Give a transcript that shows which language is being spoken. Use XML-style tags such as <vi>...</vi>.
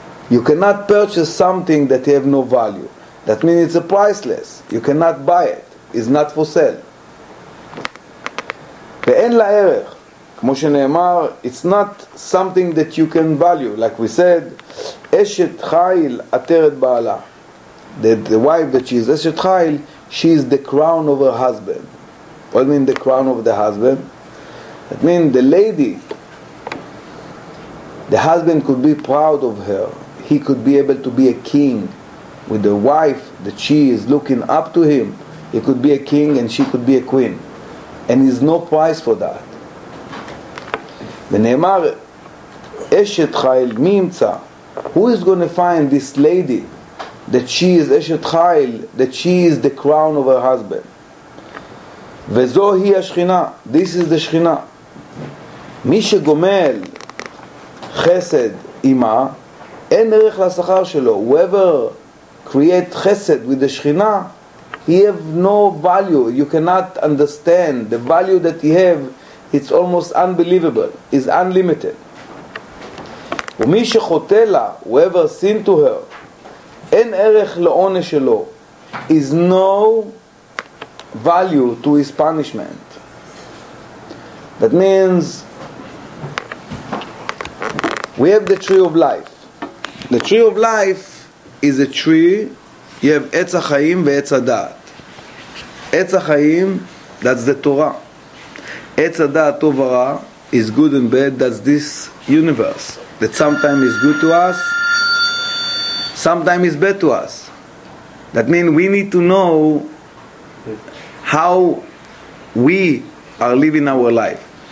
<en>You cannot purchase something that have no value. That means it's a priceless. You cannot buy it. It's not for sale. Ve'en la'erech.</en> <he>כמו שנאמר,</he> <en>it's not something that you can value. Like we said,</en> <he>אשת חיל עטרת בעלה.</he> <en>The wife that she is אשת חיל, she is the crown of her husband. What mean the crown of the husband? That mean the lady, the husband could be proud of her. He could be able to be a king with the wife that she is looking up to him. He could be a king and she could be a queen. And there's no price for that.</en> <he>ונאמר, אשת חיל, מי ימצא?</he> <en>Who is going to find this lady that she is אשת חיל, that she is the crown of her husband?</en> <he>וזו היא השכינה.</he> <en>This is the</en> <he>שכינה. מי שגומל חסד אימה, אין ערך לשכר שלו.</he> <en>Whoever create חסד with the שכינה, he have no value. You cannot understand the value that he have. It's almost unbelievable. It's unlimited.</en> <he>ומי שחוטא לה,</he> <en>whoever sin to her,</en> <he>אין ערך לעונש שלו.</he> <en>Is no value to his punishment. That means we have the tree of life. The tree of life is a tree. You have עץ החיים ועץ הדעת. עץ החיים, that's the Torah.</en> <he>עץ הדעת טוב ורע,</he> <en>is good and bad, that's this universe. That sometimes is good to us, sometimes is bad to us. That means we need to know how we are living our life.</en>